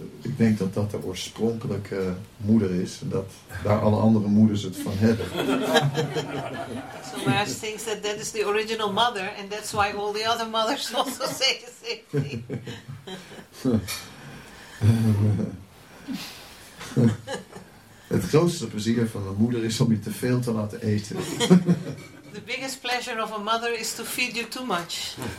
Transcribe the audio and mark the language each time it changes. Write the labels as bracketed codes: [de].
[nl] Ik denk dat dat de oorspronkelijke moeder is. En dat daar alle andere moeders het van hebben. [en] So Maharaj thinks that that is the original mother. And that's why all the other mothers also say the same thing. [nl] Het grootste plezier van een moeder is om je te veel te laten eten. [en] The biggest pleasure of a mother is to feed you too much.